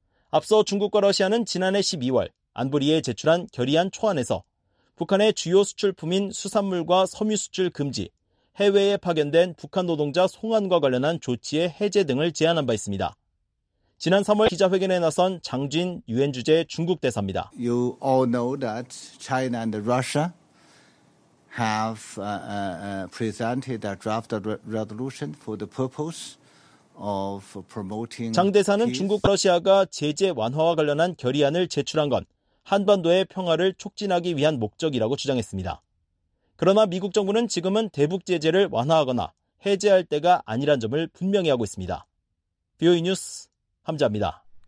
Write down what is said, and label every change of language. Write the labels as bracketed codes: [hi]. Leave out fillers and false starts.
[ko] 앞서 중국과 러시아는 지난해 12월 안보리에 제출한 결의안 초안에서 북한의 주요 수출품인 수산물과 섬유 수출 금지, 해외에 파견된 북한 노동자 송환과 관련한 조치의 해제 등을 제안한 바 있습니다. 지난 3월 기자회견에 나선 장진 유엔 주재 중국 대사입니다. [en] You all know that China and Russia have presented a draft resolution for the purpose of promoting. [ko] 장 대사는 중국과 러시아가 제재 완화와 관련한 결의안을 제출한 건 한반도의 평화를 촉진하기 위한 목적이라고 주장했습니다. 그러나 미국 정부는 지금은 대북 제재를 완화하거나 해제할 때가 아니란 점을 분명히 하고 있습니다. BOE 뉴스 함자입니다.